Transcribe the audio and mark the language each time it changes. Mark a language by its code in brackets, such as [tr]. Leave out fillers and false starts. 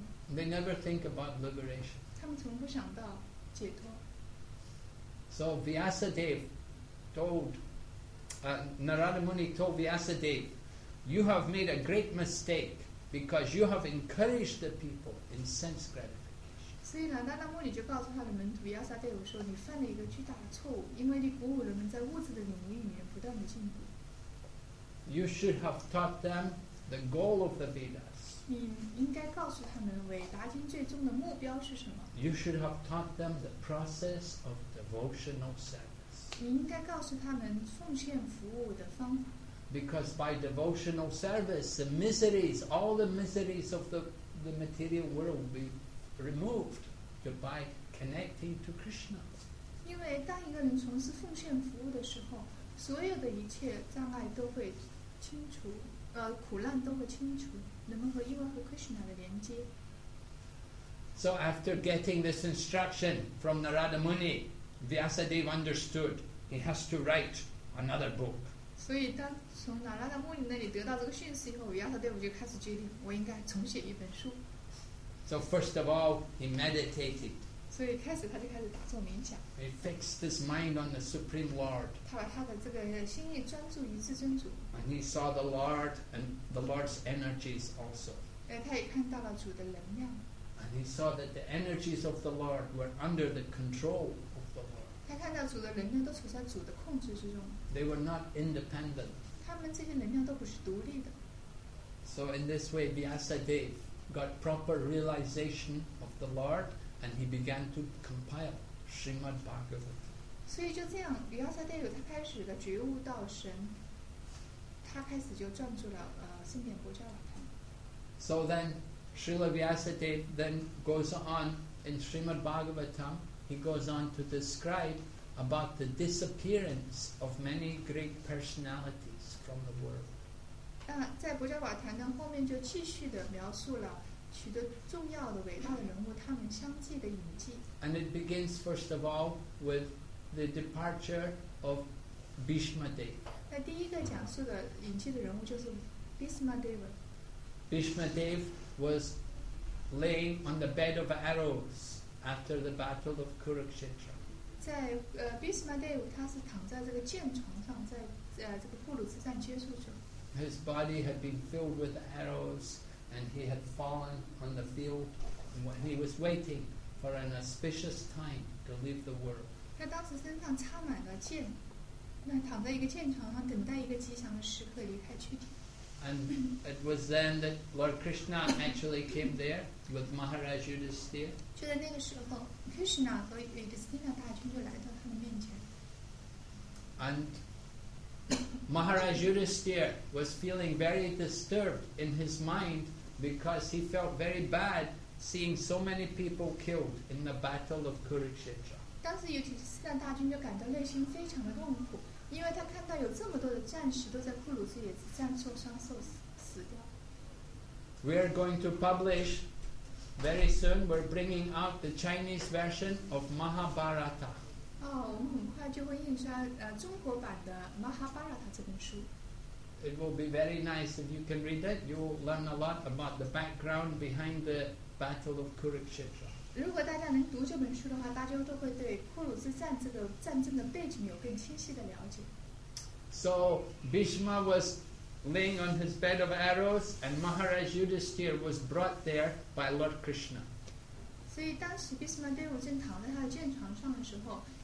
[en] They never think about liberation. So Vyasadeva told, Narada Muni told Vyasadeva, you have made a great mistake because you have encouraged the people in sense gratification. [zh] 所以呢，那那摩尼就告诉他的门徒亚萨戴欧说：“你犯了一个巨大的错误，因为你鼓舞人们在物质的领域里面不断的进步。” [en] You should have taught them the goal of the Vedas. [zh] 你应该告诉他们伟达经最终的目标是什么。 [en] You should have taught them the process of devotional service. [zh] 你应该告诉他们奉献服务的方法。 [en] Because by devotional service, the miseries, all the miseries of the material world will be removed by connecting to Krishna. [zh] 因为当一个人从事奉献服务的时候，所有的一切障碍都会清除，苦难都会清除，人们和因为和 Krishna 的连接。 [en] So after getting this instruction from Narada Muni, Vyasadeva understood he has to write another book. [zh] 所以当从 Narada Muni 那里得到这个讯息以后，Vyasadeva就开始决定，我应该重写一本书。 [en] So first of all, he meditated. [zh] 所以开始他就开始打坐冥想。 [en] He fixed his mind on the Supreme Lord. [zh] 他把他的这个心意专注于至尊主。 [en] And he saw the Lord and the Lord's energies also. [zh] 他也看到了主的能量。 [en] And he saw that the energies of the Lord were under the control of the Lord. [zh] 他看到主的能量都处在主的控制之中。 [en] They were not independent. [zh] 他们这些能量都不是独立的。 [en] So in this way, Vyasadeva got proper realization of the Lord, and he began to compile Srimad Bhagavatam. [zh] 所以就这样，比亚萨戴有他开始的觉悟到神，他开始就撰著了经典《薄伽罗坛》。 [en] So then, Srila Vyasadeva then goes on in Srimad Bhagavatam. He goes on to describe about the disappearance of many great personalities from the world. [zh] 在薄伽瓦坛呢，后面就继续的描述了许多重要的伟大的人物他们相继的隐迹。 [en] And it begins first of all with the departure of Bhishma Dev. [zh] 那第一个讲述的隐迹的人物就是 Bhishma Dev. [en] Bhishma Dev was laying on the bed of arrows after the battle of Kurukshetra. [zh] 在Bhishma Dev 他是躺在这个箭床上，在这个布鲁之战结束之后。 [en] His body had been filled with arrows and he had fallen on the field when he was waiting for an auspicious time to leave the world. [zh] 他当时身上插满了箭，那躺在一个箭床上等待一个吉祥的时刻离开躯体。 [en] And it was then that Lord Krishna actually came there with Maharaj Yudhisthira. [zh] 就在那个时候， Krishna 和 Yudhisthira 大军就来到他们面前。 [en] And Maharaj Yudhisthira was feeling very disturbed in his mind because he felt very bad seeing so many people killed in the battle of Kurukshetra. [zh] 当时尤其是让大军就感到内心非常的痛苦，因为他看到有这么多的战士都在库鲁之野之战受伤受死掉。 [en] We are going to publish very soon. We're bringing out the Chinese version of Mahabharata. It will be very nice if you can read it. You will learn a lot about the background behind the battle of Kurukshetra. [zh] 如果大家能读这本书的话，大家都会对库鲁之战这个战争的背景有更清晰的了解。 [en] So Bhishma was laying on his bed of arrows, and Maharaj Yudhisthira was brought there by Lord Krishna. [zh] 所以当时毗湿摩德正躺在他的箭床上的时候。